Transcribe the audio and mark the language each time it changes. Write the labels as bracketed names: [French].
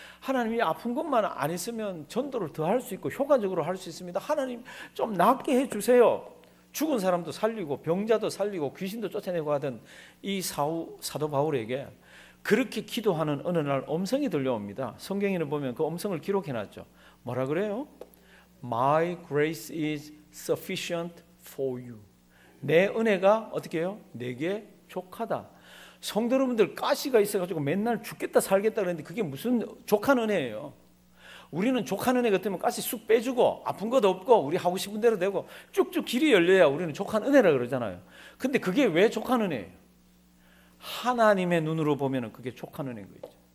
[Korean] 하나님 이 아픈 것만 안 했으면 전도를 더 할 수 있고 효과적으로 할 수 있습니다. 하나님 좀 낫게 해주세요. 죽은 사람도 살리고 병자도 살리고 귀신도 쫓아내고 하던 이 사도 바울에게 그렇게 기도하는 어느 날 음성이 들려옵니다. 성경에는 보면 그 음성을 기록해놨죠. 뭐라 그래요? [English] My grace is sufficient for you. [Korean] 내 은혜가 어떻게 해요? 내게 족하다. 성도 여러분들 가시가 있어가지고 맨날 죽겠다 살겠다 그러는데 그게 무슨 족한 은혜예요? 우리는 족한 은혜 같으면 가시 쑥 빼주고 아픈 것도 없고 우리 하고 싶은 대로 되고 쭉쭉 길이 열려야 우리는 족한 은혜라 그러잖아요. 근데 그게 왜 족한 은혜예요? 하나님의 눈으로 보면 그게 족한 은혜인 거죠.